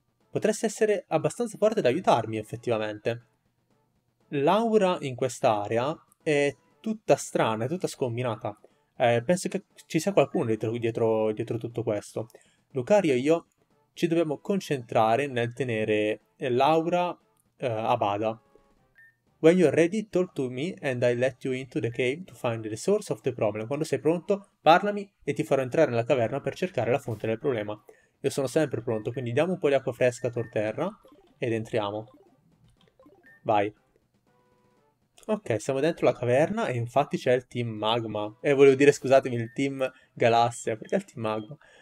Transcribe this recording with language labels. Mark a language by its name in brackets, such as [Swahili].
[Italian] Potresti essere abbastanza forte da aiutarmi, effettivamente. L'aura in quest'area è tutta strana, è tutta scombinata. Penso che ci sia qualcuno dietro tutto questo. Lucario e io ci dobbiamo concentrare nel tenere l'aura a bada. [English] When you're ready, talk to me and I'll let you into the cave to find the source of the problem. [Italian] Quando sei pronto, parlami e ti farò entrare nella caverna per cercare la fonte del problema. Io sono sempre pronto, quindi diamo un po' di acqua fresca a Torterra ed entriamo. Vai. Ok, siamo dentro la caverna e infatti c'è il team magma. Volevo dire, scusatemi, il team galassia. Perché il team magma?